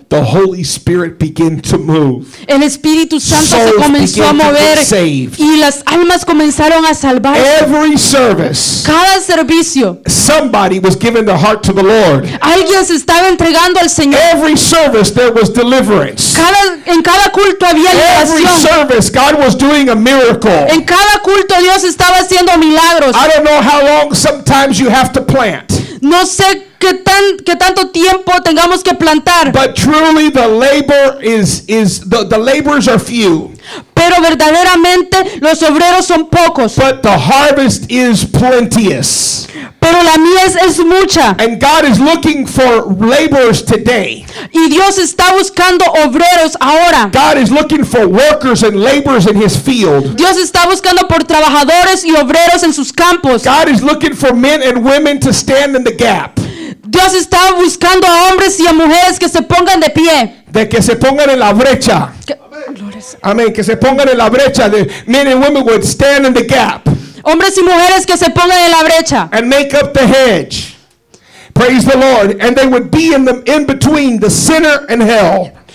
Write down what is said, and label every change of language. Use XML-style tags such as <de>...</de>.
<en>The Holy Spirit began to move.</en> <es>El Espíritu Santo se comenzó a mover. Y las almas comenzaron a salvar.</es> <en>Every service,</en> <es>cada servicio,</es> <en>somebody was giving their heart to the Lord.</en> <es>Alguien se estaba entregando al Señor.</es> <en>Every service, there was deliverance.</en> <es>En cada culto había liberación.</es> <en>Every service, God was doing a miracle.</en> <es>En cada culto Dios estaba haciendo milagros.</es> <en>I don't know how long sometimes you have to plant.</en> <es>No sé qué tanto tiempo tengamos que plantar.</es> <en>But truly the labor is the laborers are few.</en> <es>Pero verdaderamente los obreros son pocos.</es> <en>But the harvest is plenteous.</en> <es>Pero la mies es mucha.</es> <en>And God is looking for laborers today.</en> <es>Y Dios está buscando obreros ahora.</es> <en>God is looking for workers and laborers in His field.</en> <es>Dios está buscando por trabajadores y obreros en sus campos.</es> <en>God is looking for men and women to stand in the gap.</en> <es>Dios está buscando a hombres y a mujeres que se pongan de pie. De que se pongan en la brecha. Amén. Que se pongan en la brecha.</es> <en>The men and women would stand in the gap.</en> <es>Hombres y mujeres que se pongan en la brecha.</es> <en>And make up the hedge. Praise the Lord. And they would be in between the sinner and hell.</en>